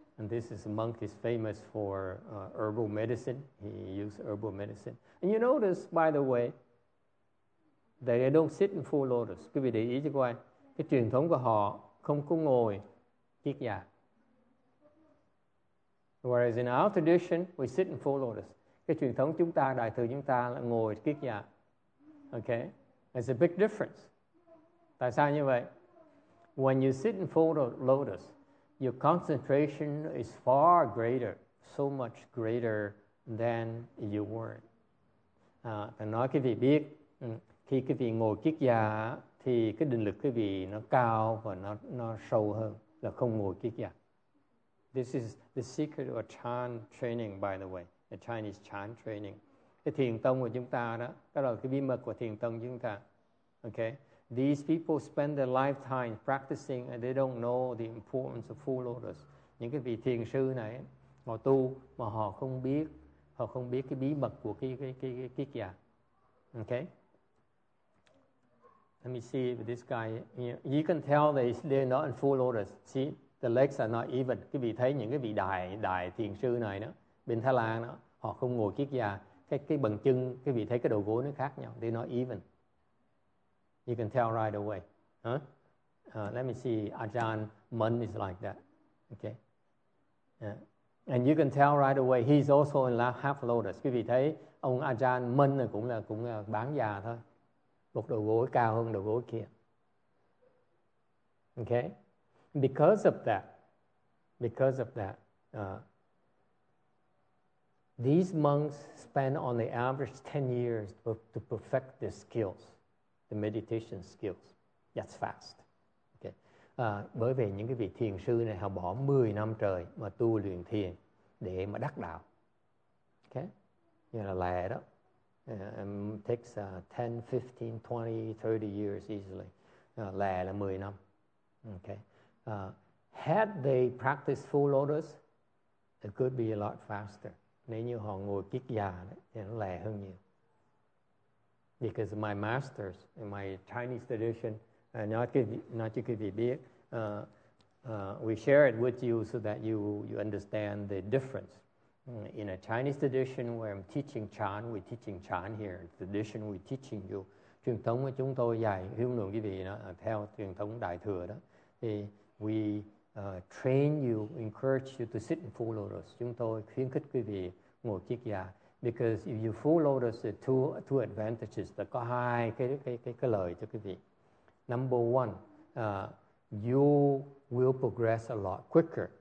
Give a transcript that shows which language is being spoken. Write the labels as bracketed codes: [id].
[en] And this is a monk is famous for herbal medicine. He used herbal medicine. And you notice, by the way, that they don't sit in full lotus. [vi] Quý vị để ý cho coi, cái truyền thống của họ không có ngồi kiết già. [en] Whereas in our tradition, we sit in full lotus. [vi] Cái truyền thống chúng ta, đại thừa chúng ta là ngồi kiết già. [en] Okay? It's a big difference. [vi] Tại sao như vậy? [en] When you sit in full lotus, your concentration is far greater, so much greater than you were. [vi] Thầy nói quý vị biết, khi quý vị ngồi kiết già thì cái định lực quý vị nó cao và nó sâu hơn là không ngồi kiết già. [en] This is the secret of Chan training, by the way, the Chinese Chan training. [vi] Cái thiền tông của chúng ta đó, đó là cái bí mật của thiền tông chúng ta. [en] Okay? These people spend their lifetime practicing and they don't know the importance of full lotus. [vi] Những cái vị thiền sư này họ tu mà họ không biết cái bí mật của cái kiết già. [en] Okay? Let me see if this guy here. You can tell that they're not in full lotus. See, the legs are not even. [vi] Quý vị thấy những cái vị đại thiền sư này đó, bên Thái Lan đó, họ không ngồi kiết già. Cái bần chân, quý vị thấy cái đầu gối nó khác nhau. [en] They're not even. You can tell right away. Let me see. Ajahn Mun is like that. Okay. Yeah. And you can tell right away. He's also in half lotus. [vi] Quý vị thấy ông Ajahn Mun cũng là bán già thôi. Một đầu gối cao hơn đầu gối kia. [en] Okay. Because of that, these monks spend on the average 10 years to perfect their skills. The meditation skills. That's fast. Okay. [vi] bởi vì những cái vị thiền sư này họ bỏ 10 năm trời mà tu luyện thiền để mà đắc đạo. [en] Okay? [vi] Như là lẹ đó. [en] Takes 10, 15, 20, 30 years easily. [vi] Lẹ là 10 năm. [en] Okay? Had they practiced full lotus, it could be a lot faster. [vi] Nếu như họ ngồi kiết già thì nó lẹ hơn nhiều. [en] Because my masters in my Chinese tradition, we share it with you so that you understand the difference. In a Chinese tradition where I'm teaching Chan, we're teaching Chan here. The tradition we're teaching you. [vi] Truyền thống của chúng tôi dạy hướng luận quý vị đó, theo truyền thống Đại Thừa đó. Thì [en] we train you, encourage you to sit in full lotus. [vi] Chúng tôi khuyến khích quý vị ngồi kiết già. [en] Because if you full lotus, there are two advantages. There are [vi] hai cái lợi cho quý vị. [en] Number one, you will progress a lot quicker.